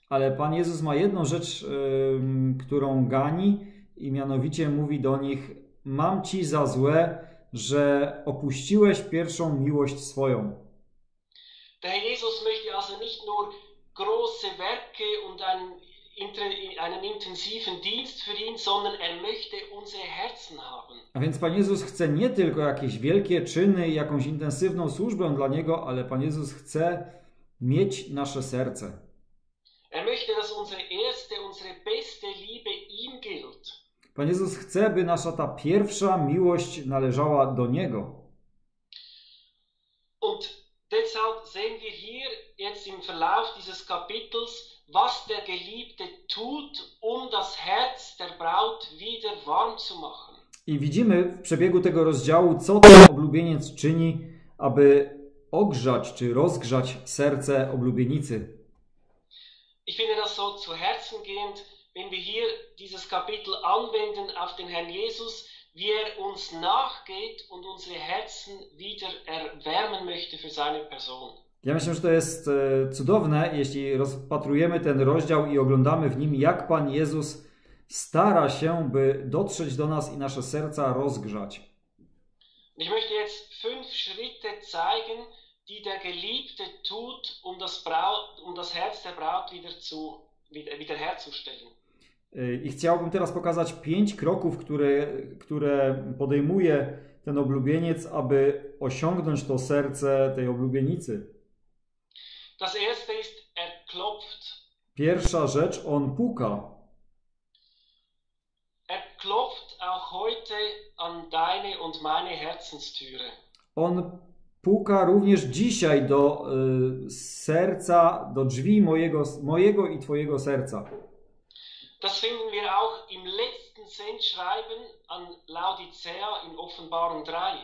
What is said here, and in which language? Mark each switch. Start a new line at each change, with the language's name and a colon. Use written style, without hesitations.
Polish: Ale Pan Jezus ma jedną rzecz, którą gani i mianowicie mówi do nich, mam ci za złe, że opuściłeś pierwszą miłość swoją.
German: Der Herr Jesus möchte also nicht nur große Werke und einen intensiven Dienst für ihn, sondern er möchte unsere Herzen haben.
Polish: A więc Pan Jezus chce nie tylko jakieś wielkie czyny i jakąś intensywną służbę dla Niego, ale Pan Jezus chce mieć nasze serce.
German: Er möchte, dass unsere beste Liebe ihm gilt.
Polish: Pan Jezus chce, by nasza ta pierwsza miłość należała do Niego.
German: Und deshalb sehen wir hier jetzt im Verlauf dieses Kapitels, was der Geliebte tut, um das Herz der Braut wieder warm zu machen.
Polish: I widzimy w przebiegu tego rozdziału, co ten oblubieniec czyni, aby ogrzać czy rozgrzać serce oblubienicy.
German: Ich finde das so zu Herzen gehend, wenn wir hier dieses Kapitel anwenden auf den Herrn Jesus, wie er uns nachgeht und unsere Herzen wieder erwärmen möchte für seine Person.
Polish: Ja myślę, że to jest cudowne, jeśli rozpatrujemy ten rozdział i oglądamy w nim, jak Pan Jezus stara się, by dotrzeć do nas i nasze serca rozgrzać.
German: Ich möchte jetzt fünf Schritte zeigen, die der Geliebte tut, um das Herz der Braut wieder herzustellen.
Polish: I chciałbym teraz pokazać 5 kroków, które podejmuje ten oblubieniec, aby osiągnąć to serce tej oblubienicy.
German: Das erste ist, er klopft.
Polish: Pierwsza rzecz, on puka.
German: Er klopft auch heute an deine und meine Herzenstüre.
Polish: On puka również dzisiaj do serca, do drzwi mojego i twojego serca.
German: Das finden wir auch im letzten Sendschreiben an Laodicea in Offenbarung 3.